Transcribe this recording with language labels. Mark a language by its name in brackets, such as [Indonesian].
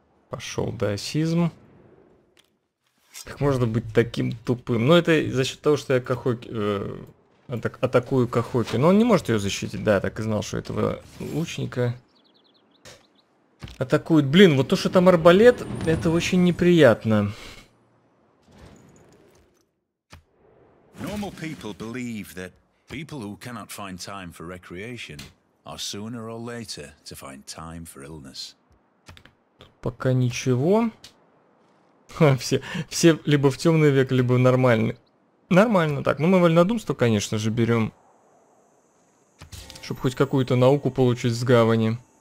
[Russian] Пошел даосизм. Как можно быть таким тупым? Ну это за счет того, что я атакую Кахоки. Но он не может ее защитить. Да, я так и знал, что этого лучника атакуют. Блин, вот то, что там арбалет, это очень неприятно. [English] Normal people believe that people who cannot find time for recreation are sooner or later to find time for illness. [Russian] Тут пока ничего. Все либо в темный век, либо в нормальный. Нормально, так. Ну мы вольнодумство, конечно же, берем. чтобы хоть какую-то науку получить с гавани.